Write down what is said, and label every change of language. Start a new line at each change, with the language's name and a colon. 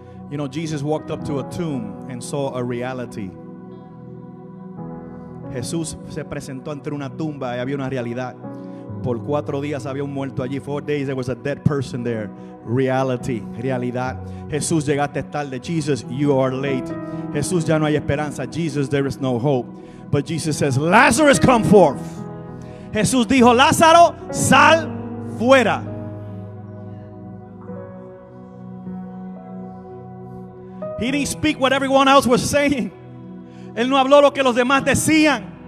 English: You know, Jesus walked up to a tomb and saw a reality.
Spanish: Jesús se presentó ante una tumba y había una realidad. Por cuatro días había un muerto allí.
English: 4 days there was a dead person there. Reality, realidad.
Spanish: Jesús, llegaste tarde.
English: Jesus, you are late.
Spanish: Jesús, ya no hay esperanza.
English: Jesus, there is no hope. But Jesus says, Lazarus, come forth.
Spanish: Jesús dijo, Lázaro, sal fuera.
English: He didn't speak what everyone else was saying.
Spanish: Él no habló lo que los demás decían.